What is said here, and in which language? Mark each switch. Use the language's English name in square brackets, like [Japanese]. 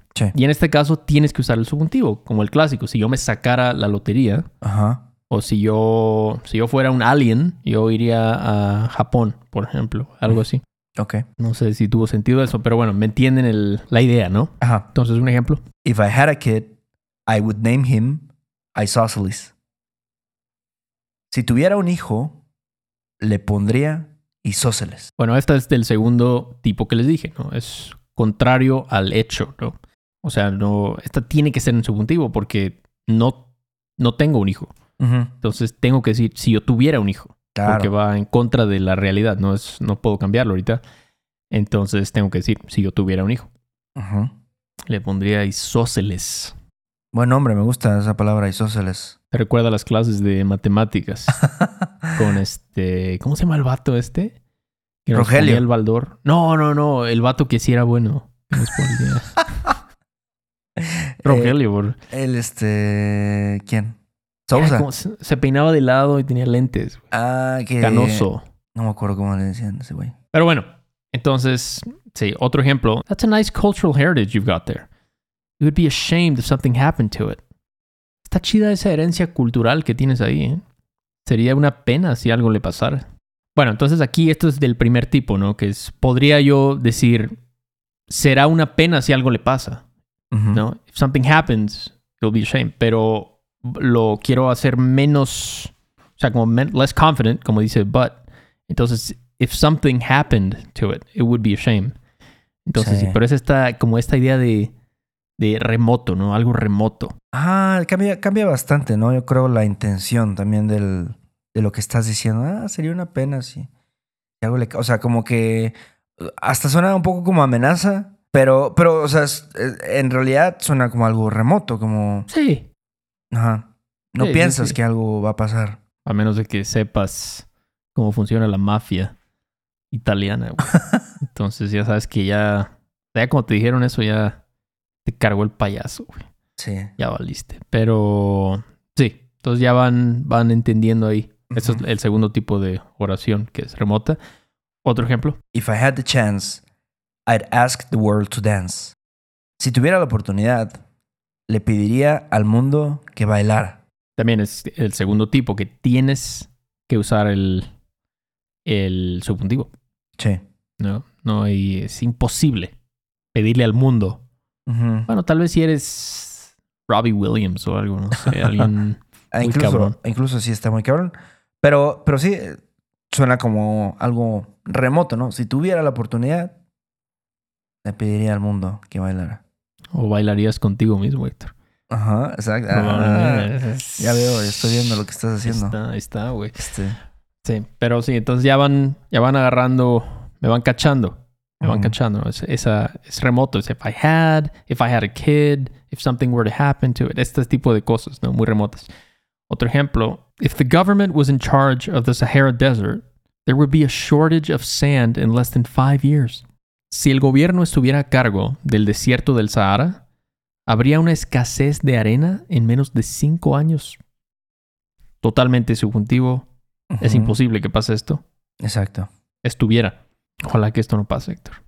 [Spanish] Sí. Y en este caso tienes que usar el subjuntivo, como el clásico. Si yo me sacara la lotería... Ajá. O si yo fuera un alien, yo iría a Japón, por ejemplo. Algo así. Ok. No sé si tuvo sentido eso, pero bueno, me entienden la idea, ¿no? Ajá. Entonces, un ejemplo. [English] If I had a kid, I would name him Isosceles. [Spanish] Si tuviera un hijo, le pondría Isósceles. Bueno, esta es del segundo tipo que les dije, ¿no? Es contrario al hecho, ¿no? O sea, no, esta tiene que ser en subjuntivo porque no tengo un hijo. Entonces tengo que decir si yo tuviera un hijo, claro. Porque va en contra de la realidad, no puedo cambiarlo ahorita. Entonces tengo que decir si yo tuviera un hijo. Le pondría isósceles. Buen nombre, me gusta esa palabra, isósceles. Te recuerda a las clases de matemáticas con ¿cómo se llama el vato este? Que nos Rogelio. Ponía el Baldor. No, el vato que sí era bueno. Rogelio, bro. ¿Quién? Sousa. Se peinaba de lado y tenía lentes. Ah, qué... Canoso. No me acuerdo cómo le decían a ese güey. Pero bueno, entonces, sí, otro ejemplo. [English] That's a nice cultural heritage you've got there. You would be ashamed if something happened to it. [Spanish] Está chida esa herencia cultural que tienes ahí, ¿eh? Sería una pena si algo le pasara. Bueno, entonces aquí esto es del primer tipo, ¿no? Que es, podría yo decir, será una pena si algo le pasa, ¿no? [English] If something happens, you'll be ashamed. [Spanish] Pero... lo quiero hacer menos, o sea, como [English] less confident, [Spanish] como dice, [English] but. [Spanish] Entonces, [English] if something happened to it, it would be a shame. [Spanish] Entonces, sí. Pero es esta idea de remoto, ¿no? Algo remoto. Ah, cambia bastante, ¿no? Yo creo la intención también de lo que estás diciendo. Ah, sería una pena, sí. O sea, como que hasta suena un poco como amenaza. Pero, o sea, en realidad suena como algo remoto, como... Sí. Ajá. No sí, piensas sí, sí. que algo va a pasar. A menos de que sepas cómo funciona la mafia italiana, güey. Entonces ya sabes que ya... Ya como te dijeron eso, ya te cargó el payaso, güey. Sí. Ya valiste. Pero sí, entonces ya van entendiendo ahí. Uh-huh. Ese es el segundo tipo de oración, que es remota. ¿Otro ejemplo? [English] If I had the chance, I'd ask the world to dance. [Spanish] Si tuviera la oportunidad, le pediría al mundo que bailara. También es el segundo tipo, que tienes que usar el subjuntivo. Sí. No, no, y es imposible pedirle al mundo. Uh-huh. Bueno, tal vez si eres Robbie Williams o algo, no sé, alguien incluso si está muy cabrón. Pero sí, suena como algo remoto, ¿no? Si tuviera la oportunidad, le pediría al mundo que bailara. O bailarías contigo mismo, Héctor. Ajá, exacto. Ah, ya veo, ya estoy viendo lo que estás haciendo. Está, güey. Sí, pero sí, entonces ya van agarrando, me van cachando. Me van cachando, ¿no? Es remoto. Es [English] if I had a kid, if something were to happen to it. [Spanish] Este tipo de cosas, ¿no? Muy remotas. Otro ejemplo. [English] If the government was in charge of the Sahara Desert, there would be a shortage of sand in less than 5 years. [Spanish] Si el gobierno estuviera a cargo del desierto del Sahara, habría una escasez de arena en menos de 5 años. Totalmente subjuntivo. Uh-huh. Es imposible que pase esto. Exacto. Estuviera. Ojalá que esto no pase, Héctor.